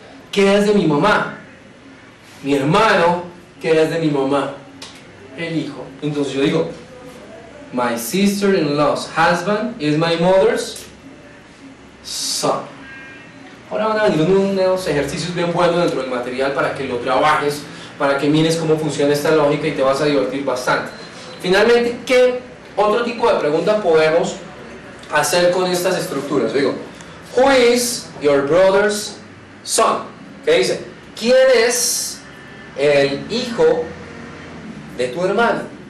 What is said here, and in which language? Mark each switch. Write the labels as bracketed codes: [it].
[es] ¿Qué es de mi mamá? Mi hermano, ¿qué es de mi mamá? El hijo. Entonces yo digo, [en] my sister-in-law's husband is my mother's son. [es] Ahora van a venir unos ejercicios bien buenos dentro del material para que lo trabajes, para que mires cómo funciona esta lógica y te vas a divertir bastante. Finalmente, ¿qué otro tipo de pregunta podemos hacer con estas estructuras? [en] Digo, who is your brother's son? [es] ¿Qué dice? ¿Quién es el hijo de tu hermano?